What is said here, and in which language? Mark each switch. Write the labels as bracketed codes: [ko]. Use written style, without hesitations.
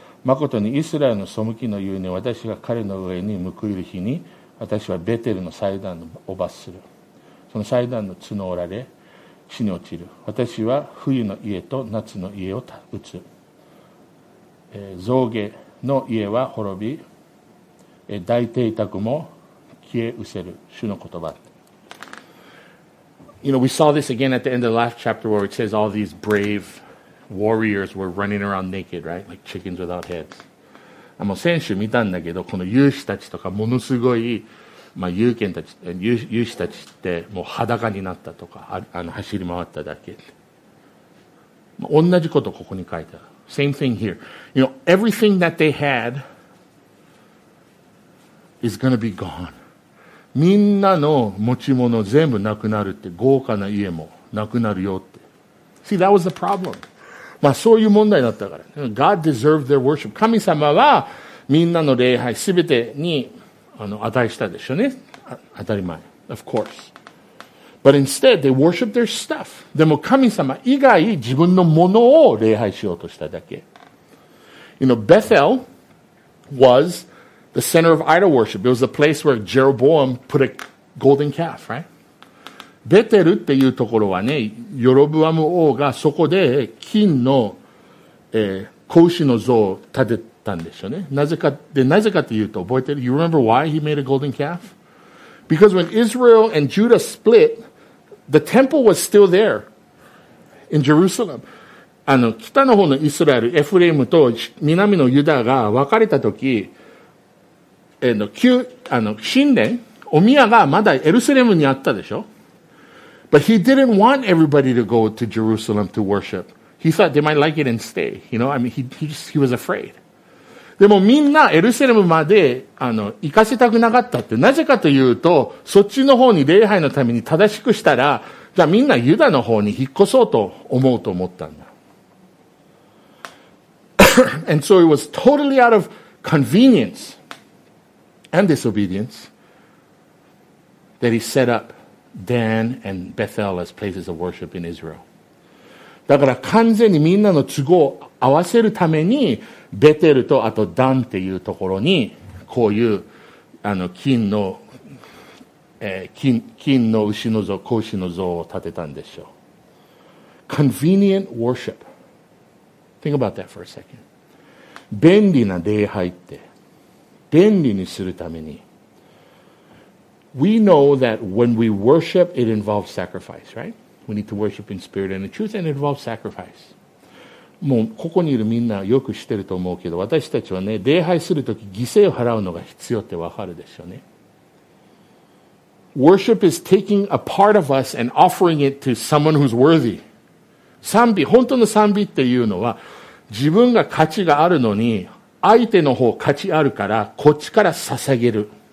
[ja] 誠にイスラエルの背きの故に私が彼の上に報いる日に、私はベテルの祭壇を罰する。その祭壇の角を折られ、地に落ちる。私は冬の家と夏の家を打つ。象牙の家は滅び、大邸宅も消え失せる。主の言葉。 [en] You know, we saw this again at the end of the last chapter where it says all these brave warriors were running around naked, right? Like chickens without heads. [ja] もう先週見たんだけど、この勇士たちとかものすごい、まあ勇健たち、勇士たちってもう裸になったとか、あの走り回っただけ。同じことここに書いてある。 [en] Same thing here. You know, everything that they had is going to be gone. [ja] みんなの持ち物全部なくなるって、豪華な家もなくなるよって。 [en] See, that was the problem. [ja] まあそういう問題だったから。 [en] God deserved their worship. [ja] 神様はみんなの礼拝すべてに値したでしょうね。当たり前。 [en] Of course. But instead, they worship their stuff. [ja] でも神様以外自分のものを礼拝しようとしただけ。 [en] You know, Bethel was the center of idol worship. It was the place where Jeroboam put a golden calf, right? [ja] ベテルっていうところはね、ヨロブアム王がそこで金の、子牛の像を建てたんでしょうね。なぜかというと、覚えてる? [en] You remember why he made a golden calf? Because when Israel and Judah split, the temple was still there in Jerusalem. [ja] 北の方のイスラエル、エフレームと南のユダが分かれた時、神殿、お宮がまだエルサレムにあったでしょ? [en] But he didn't want everybody to go to Jerusalem to worship. He thought they might like it and stay. You know, I mean, he was afraid. [ja] でもみんなエルサレムまで行かせたくなかったって。なぜかというと、そっちの方に礼拝のために正しくしたら、じゃあみんなユダの方に引っ越そうと思うと思ったんだ。 [en] And so it was totally out of convenience and disobedience that he set up Dan and Bethel as places of worship in Israel. [ja] だから完全にみんなの都合を合わせるために、ベテルとあとダンっていうところに、こういう、金の牛の像、子牛の像を建てたんでしょう。 [en] Convenient worship. Think about that for a second. [ja] 便利な礼拝って、便利にするために。 [en] We know that when we worship, it involves sacrifice, right? We need to worship in spirit and in truth and it involves sacrifice. [ja] もうここにいるみんなよく知ってると思うけど、私たちはね、礼拝するとき犠牲を払うのが必要ってわかるでしょうね。 [en] Worship is taking a part of us and offering it to someone who's worthy. [ja] 賛美、本当の賛美っていうのは、自分が価値があるのに、相手の方価値あるから、こっちから捧げる。